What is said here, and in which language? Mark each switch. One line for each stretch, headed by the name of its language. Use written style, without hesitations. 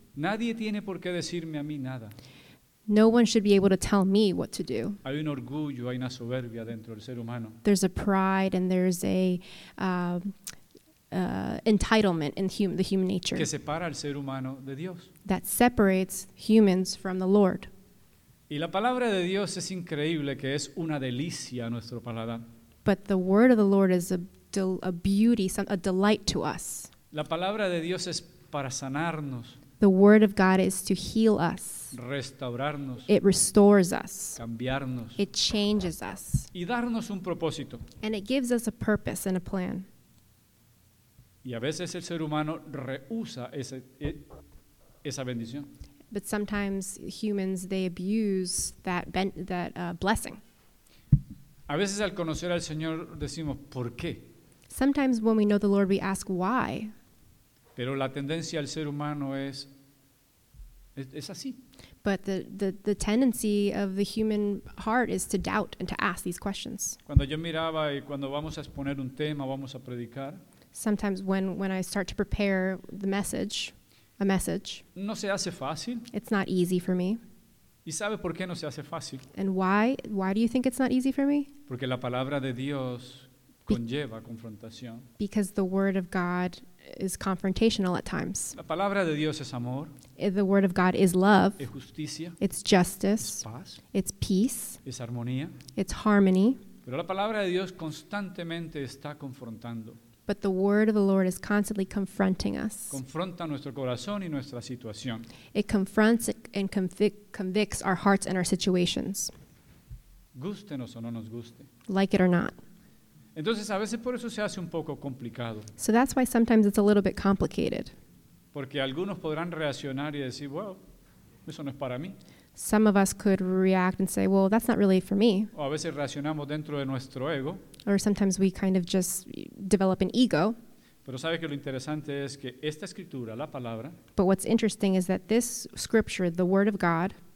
Spanish: Nadie tiene por qué decirme a mí nada.
English: No one should be able to tell me what to do.
Spanish: Hay un orgullo, hay una soberbia dentro del ser humano.
English: There's a pride and there's a entitlement in the human nature.
Spanish: Que separa al ser humano de Dios.
English: That separates humans from the Lord.
Spanish: Y la palabra de Dios es increíble, que es una delicia a nuestro paladar.
English: But the word of the Lord is a beauty, a delight to us.
Spanish: La palabra de Dios es para sanarnos.
English: The word of God is to heal us.
Spanish: Restaurarnos.
English: It restores us.
Spanish: Cambiarnos.
English: It changes us.
Spanish: Y darnos un propósito.
English: And it gives us a purpose and a plan.
Spanish: Y a veces el ser humano rehúsa esa bendición.
English: But sometimes humans, they abuse that blessing.
Spanish: A veces al conocer al Señor decimos, ¿por qué?
English: Sometimes when we know the Lord, we ask why.
Spanish: Pero la tendencia del ser humano es así.
English: But the tendency of the human heart is to doubt and to ask these questions.
Spanish: Cuando yo miraba y cuando vamos a exponer un tema, vamos a predicar.
English: Sometimes when I start to prepare a message.
Spanish: No se hace fácil.
English: It's not easy for me.
Spanish: ¿Y sabe por qué no se hace fácil?
English: And why? Why do you think it's not easy for me?
Spanish: Porque la palabra de Dios conlleva confrontación.
English: Because the word of God is confrontational at times.
Spanish: La palabra de Dios es amor.
English: The word of God is love.
Spanish: Es justicia.
English: It's justice.
Spanish: Es paz.
English: It's peace.
Spanish: Es armonía.
English: It's harmony.
Spanish: Pero la palabra de Dios constantemente está confrontando.
English: But the word of the Lord is constantly confronting us.
Spanish: Confronta nuestro corazón y nuestra situación.
English: It confronts and convicts our hearts and our situations.
Spanish: Gústenos o no nos guste.
English: Like it or not.
Spanish: Entonces, a veces por eso se hace un poco complicado.
English: So that's why sometimes it's a little bit complicated.
Spanish: Porque algunos podrán reaccionar y decir, well, eso no es para mí.
English: Some of us could react and say, well, that's not really for me.
Spanish: O a veces reaccionamos dentro de nuestro ego.
English: Or sometimes we kind of just develop an ego.
Spanish: Pero sabe que lo interesante es que esta escritura, la palabra,
English: but what's interesting is that this scripture, the word of God,